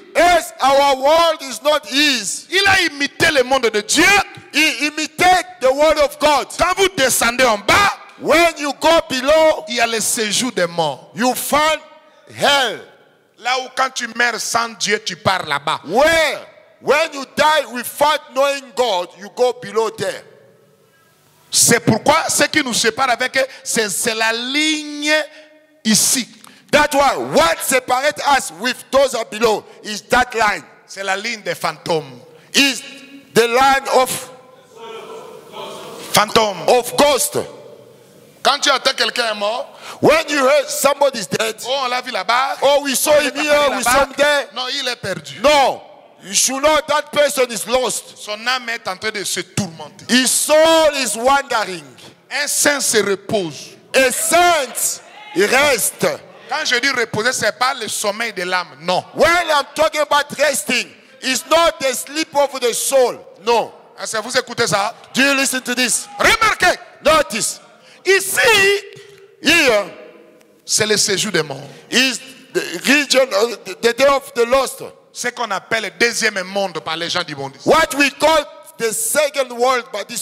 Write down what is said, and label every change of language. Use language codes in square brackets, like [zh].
[en] as our world is not his, [fr] il a imité le monde de Dieu. [en] He imitated the word of God. [fr] Quand vous descendez en bas, [en] when you go below, [fr] il y a le séjour des morts. [en] You find hell. [fr] Là où quand tu meurs sans Dieu, tu pars là-bas. [en] Where? When you die without knowing God, you go below there. [fr] C'est pourquoi ce qui nous sépare avec eux, c'est la ligne ici. [en] That's why what separates us with those are below is that line. [fr] C'est la ligne des fantômes. [en] Is the line of phantom of ghost. [fr] Quand tu attends quelqu'un est mort, [en] when you heard somebody's dead, [fr] oh, on l'a vu là-bas, [en] oh, we saw him here, we saw him there. [fr] Non, il est perdu. [en] No, you should know that person is lost. [fr] Son âme est en train de se tourmenter. [en] His soul is wandering. [fr] Un saint se repose. [en] A saint, [fr] il reste. Quand je dis reposer, c'est pas le sommeil de l'âme. Non. [en] When I'm talking about resting, it's not the sleep of the soul. No. [fr] Est-ce que vous écoutez ça? [en] Do you listen to this? [fr] Remarquez. [en] Notice. [fr] Ici, [en] here, [fr] c'est le séjour des morts. [en] Is the region of the day of the lost. [fr] Ce qu'on appelle le deuxième monde par les gens du monde. [en] What we call the second world by this